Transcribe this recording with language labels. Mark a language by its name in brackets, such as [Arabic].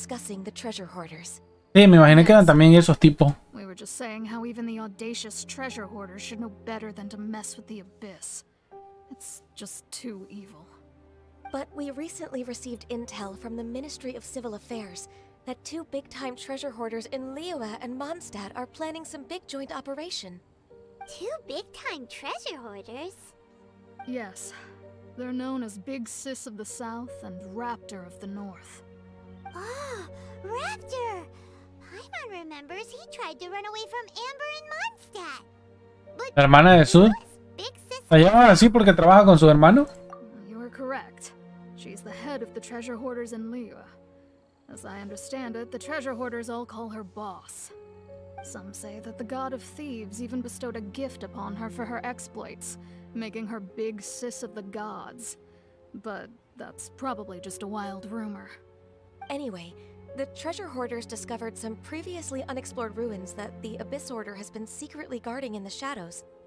[Spanish] Sí, me imaginé que eran también esos tipos. [English] We were just saying how even the audacious treasure hoarder should know better than to mess with the abyss. It's just too evil. But we recently received intel from the Ministry of Civil Affairs that two big-time treasure hoarders in Liyue and Mondstadt are planning some big joint operation. Two big-time treasure hoarders? Yes. They're known as Big Sis of the South and Raptor of the North. Ah, Raptor! Paimon remembers he tried to run away from Amber and Mondstadt. But [Spanish] la hermana de Sud. ¿La llaman así porque trabaja con su hermano? [English] You are correct. She's the head of the treasure hoarders in Liyue. As I understand it, the treasure hoarders all call her boss. Some say that the god of thieves even bestowed a gift upon her for her exploits, making her big sis of the gods. But that's probably just a wild rumor. Anyway, the treasure hoarders discovered some previously unexplored ruins that the Abyss Order has been secretly guarding in the shadows.